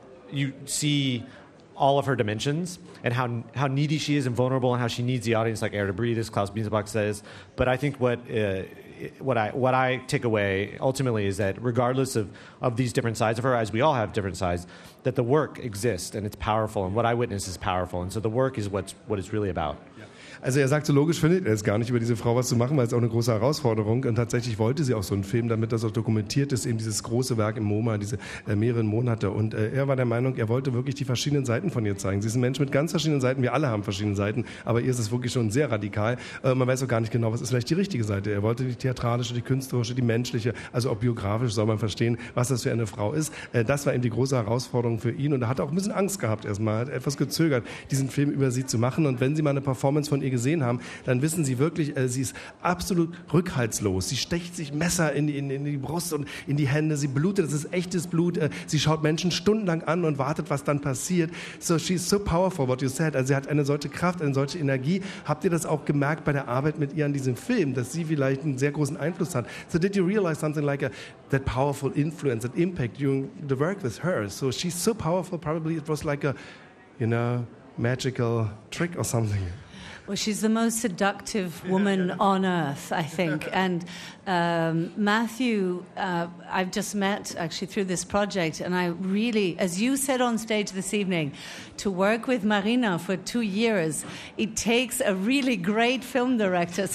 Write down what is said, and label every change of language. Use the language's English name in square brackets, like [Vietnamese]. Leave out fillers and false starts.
[English] you see all of her dimensions and how needy she is and vulnerable and how she needs the audience, like air to breathe, as Klaus Biesbach says. But I think what I take away, ultimately, is that regardless of these different sides of her, as we all have different sides, that the work exists and it's powerful. And what I witness is powerful. And so the work is what it's really about. [German] Also er sagt, so logisch findet er es gar nicht, über diese Frau was zu machen, weil es auch eine große Herausforderung. Und tatsächlich wollte sie auch so einen Film, damit das auch dokumentiert ist, eben dieses große Werk im MoMA, diese mehreren Monate. Und er war der Meinung, er wollte wirklich die verschiedenen Seiten von ihr zeigen. Sie ist ein Mensch mit ganz verschiedenen Seiten, wir alle haben verschiedene Seiten, aber ihr ist es wirklich schon sehr radikal. Man weiß auch gar nicht genau, was ist vielleicht die richtige Seite. Er wollte die theatralische, die künstlerische, die menschliche, also auch biografisch soll man verstehen, was das für eine Frau ist. Das war eben die große Herausforderung für ihn. Und er hat auch ein bisschen Angst gehabt erstmal, hat etwas gezögert, diesen Film über sie zu machen. Und wenn sie mal eine Performance von ihr gesehen haben, dann wissen Sie wirklich, sie ist absolut rückhaltslos. Sie stecht sich Messer in die Brust und in die Hände. Sie blutet, das ist echtes Blut. Sie schaut Menschen stundenlang an und wartet, was dann passiert. [English] So, she is so powerful, what you said. [German] Also sie hat eine solche Kraft, eine solche Energie. Habt ihr das auch gemerkt bei der Arbeit mit ihr an diesem Film, dass sie vielleicht einen sehr großen Einfluss hat? [English] So, did you realize something like that powerful influence, that impact during the work with her? So, she's so powerful, probably it was like a magical trick or something. Well, she's the most seductive woman on earth, I think. And Matthew, I've just met, actually, through this project, and I really, as you said on stage this evening, to work with Marina for 2 years, it takes a really great film director.